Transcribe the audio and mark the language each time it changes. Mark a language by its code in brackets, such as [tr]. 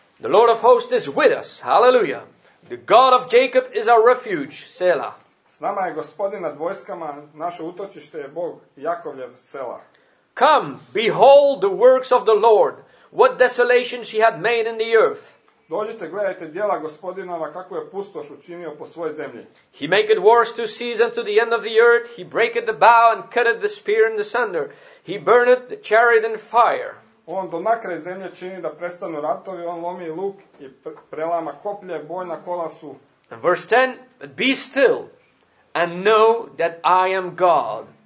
[en] The Lord of hosts is with us. Hallelujah. The God of Jacob is our refuge, Selah. [hr] S nama je Gospodin nad vojskama, naše utočište je Bog, Jakovljev, Selah. [en] Come, behold the works of the Lord, what desolations he had made in the earth. [hr] Dođite, gledajte djela Gospodinova, kako je pustoš učinio po svojoj zemlji. [en] He maketh wars to cease unto the end of the earth, he breaketh the bow and cutteth the spear in the sunder, he burneth the chariot in fire. [hr] On do nakraj zemlje čini da prestanu ratovi, on lomi luk i prelama koplje, bojna kola su. [en] And verse 10, be still and know that I am God.